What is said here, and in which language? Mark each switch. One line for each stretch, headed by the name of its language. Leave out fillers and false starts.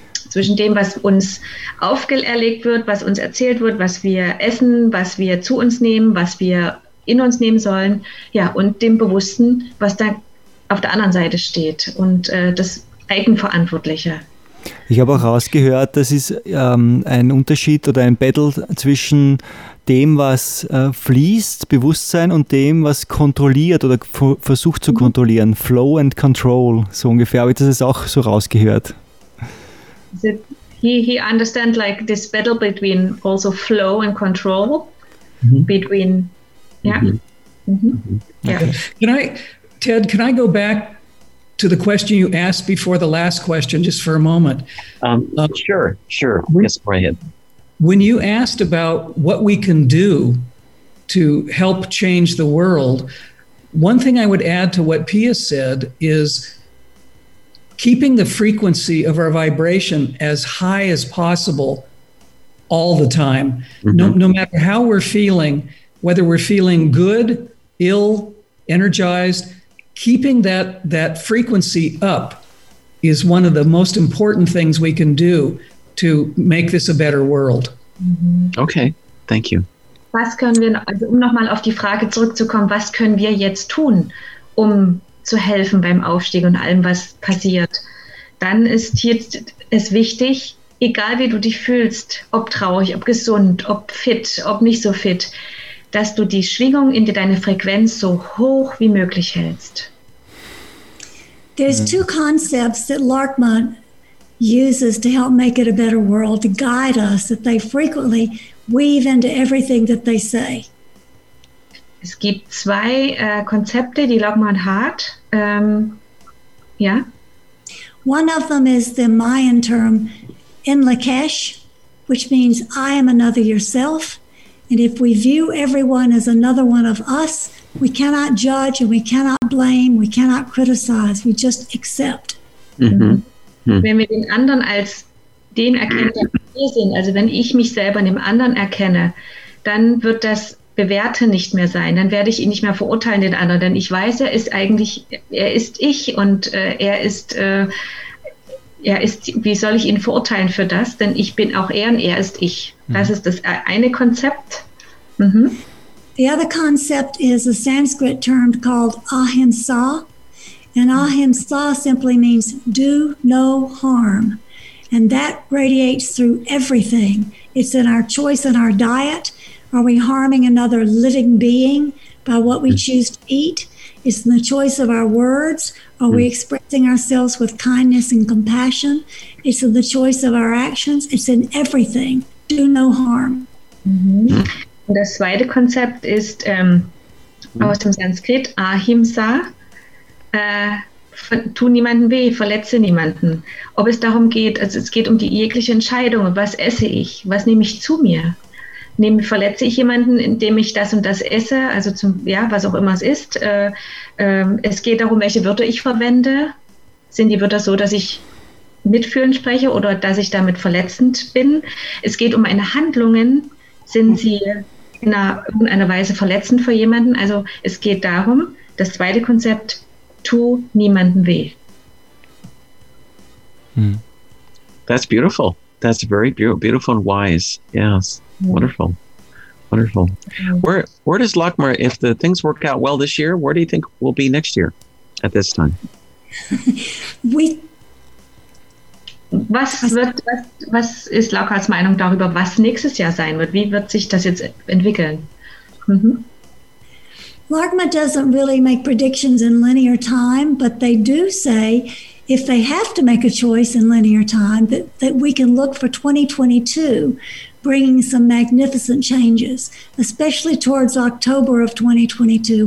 German: Zwischen dem, was uns auferlegt wird, was uns erzählt wird, was wir essen, was wir zu uns nehmen, was wir in uns nehmen sollen, ja, und dem Bewussten, was da auf der anderen Seite steht und das Eigenverantwortliche. Ich habe auch rausgehört, das ist ein Unterschied oder ein Battle zwischen dem, was fließt, Bewusstsein, und dem, was kontrolliert oder versucht zu kontrollieren.
English: Flow and control,
German: so ungefähr. Habe ich das auch so rausgehört?
English: He understands like this battle between also flow and control, mm-hmm. between, yeah. Mm-hmm. Mm-hmm. Okay. Yeah. Can I, Ted, go back to the question you asked before the last question, just for a moment? Sure. Yes, go ahead. When you asked about what we can do to help change the world, one thing I would add to what Pia said is keeping the frequency of our vibration as high as possible all the time. Mm-hmm. No matter how we're feeling, whether we're feeling good, ill, energized, keeping that frequency up is one of the most important things we can do to make this a better world. Okay, thank you.
German: Was können wir, also um nochmal auf die Frage zurückzukommen, was können wir jetzt tun, um zu helfen beim Aufstieg und allem, was passiert? Dann ist jetzt es wichtig, egal wie du dich fühlst, ob traurig, ob gesund, ob fit, ob nicht so fit, dass du die Schwingung in deine Frequenz so hoch wie möglich hältst.
English: There's two concepts that Lakma uses to help make it a better world, to guide us, that they frequently weave into everything that they say.
German: Es gibt zwei Konzepte, die Lockmann hat.
English: One of them is the Mayan term in Lakesh, which means I am another yourself. And if we view everyone as another one of us, we cannot judge and we cannot blame, we cannot criticize, we just accept.
German: Wenn wir den anderen als den erkennen, der wir sind, also wenn ich mich selber in dem anderen erkenne, dann wird das Bewerten nicht mehr sein, dann werde ich ihn nicht mehr verurteilen, den anderen, denn ich weiß, er ist eigentlich, er ist ich und er ist, wie soll ich ihn verurteilen für das, denn ich bin auch er und er ist ich. Das ist das eine Konzept.
English: The other concept is a Sanskrit term called Ahimsa. And Ahimsa simply means do no harm. And that radiates through everything. It's in our choice in our diet. Are we harming another living being by what we choose to eat? It's in the choice of our words. Are we expressing ourselves with kindness and compassion? It's in the choice of our actions. It's in everything. Do no harm.
German: Und das zweite Konzept ist aus dem Sanskrit Ahimsa. Tu niemanden weh, verletze niemanden. Ob es darum geht, also es geht um die jegliche Entscheidung, was esse ich, was nehme ich zu mir? Verletze ich jemanden, indem ich das und das esse, also zum, ja, was auch immer es ist. Es geht darum, welche Wörter ich verwende. Sind die Wörter so, dass ich mitfühlend spreche oder dass ich damit verletzend bin? Es geht um meine Handlungen. Sind sie in irgendeiner Weise verletzend für jemanden? Also es geht darum, das zweite Konzept, tu niemanden weh.
English: That's beautiful. That's very beautiful and wise. Yes. Wonderful. Wonderful. Where does Lakmar, if the things work out well this year, where do you think we'll be next year at this time?
German: Was ist Lakmars Meinung darüber, was nächstes Jahr sein wird? Wie wird sich das jetzt entwickeln?
English: Lakmar doesn't really make predictions in linear time, but they do say if they have to make a choice in linear time, that we can look for 2022 bringing some magnificent changes, especially towards October of 2022.